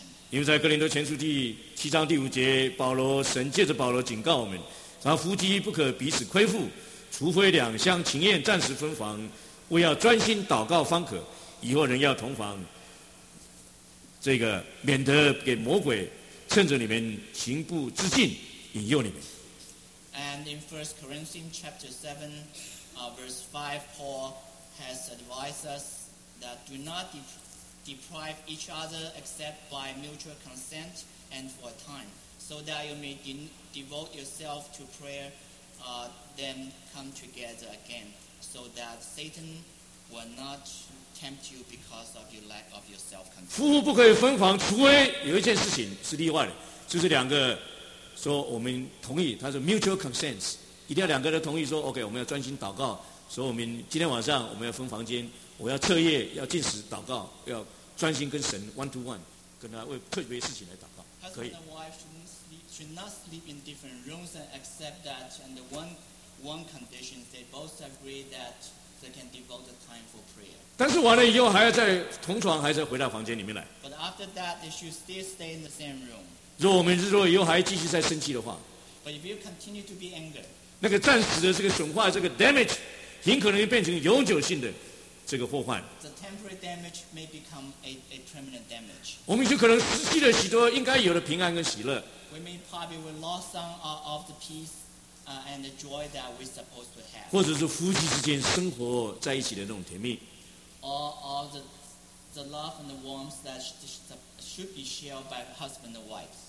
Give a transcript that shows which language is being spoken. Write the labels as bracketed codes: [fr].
[zh] 因为在哥林多前书第七章第五节，保罗神借着保罗警告我们，他夫妻不可彼此亏负，除非两厢情愿暂时分房，为要专心祷告方可，以后仍要同房，这个免得给魔鬼趁着你们情不自禁引诱你们。 [en] And in 1 Corinthians chapter 7, verse 5, Paul has advised us that do not deprive each other except by mutual consent and for a time, so that you may devote yourself to prayer, then come together again, so that Satan will not tempt you because of your lack of your self-control. [zh] 夫妇不可以分房，除非有一件事情是例外的，就是两个说我们同意，他说 [en] mutual consent， [zh] 一定要两个人同意说 OK， 我们要专心祷告，所以我们今天晚上我们要分房间，我要彻夜要进食祷告，要专心跟神 [en] one to one， [zh] 跟他为特别事情来祷告。可以。 [en] Husband and wife should not sleep in different rooms and accept that under one condition they both agree that they can devote the time for prayer。 [zh] 但是完了以后还要再同床，还是回到房间里面来。 [en] But after that they should still stay in the same room。 [zh] 如果我们日落以后还继续在生气的话， [en] But if you continue to be angry, [zh] 那个暂时的这个损坏，这个 damage 很可能变成永久性的这个祸患。 [en] The temporary damage may become a permanent damage. [zh] 我们就可能失去了许多应该有的平安跟喜乐。 [en] We may probably lose some of the peace and the joy that we're supposed to have. [zh] 或者是夫妻之间生活在一起的那种甜蜜。 [en] All the love and the warmth that should be shared by husband and wife.